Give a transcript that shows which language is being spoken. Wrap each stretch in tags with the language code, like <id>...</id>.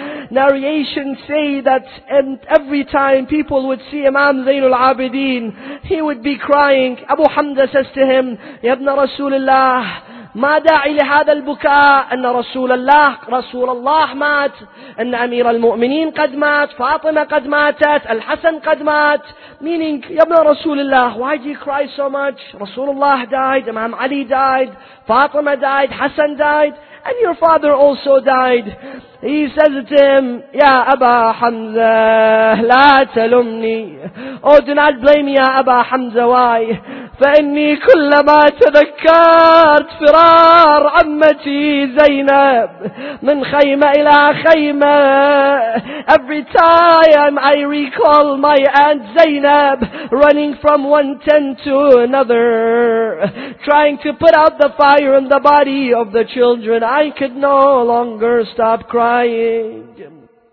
<en>Narrations say that every time people would see Imam Zainul Abideen, he would be crying. Abu Hamza says to him, Ya Ibn Rasulullah,</en> <ar>ما داعي لهذا البكاء أن رسول الله مات, أن أمير المؤمنين قد مات, فاطمة قد ماتت, الحسن قد مات.</ar> <en>Meaning,</en> <ar>يا ابن رسول الله,</ar> <en>why do you cry so much? رسول الله died, Imam Ali died, Fatima died, Hasan died, and your father also died. He says to him, Ya Aba Hamza,</en> <ar>لا تلمني.</ar> <en>Oh, do not blame me, Ya Aba Hamza. Why?</en> <ar>فإني كلما تذكرت فرار عمتي زينب من خيمة إلى خيمة.</ar> <en>Every time I recall my aunt Zainab running from one tent to another, trying to put out the fire in the body of the children, I could no longer stop crying.</en>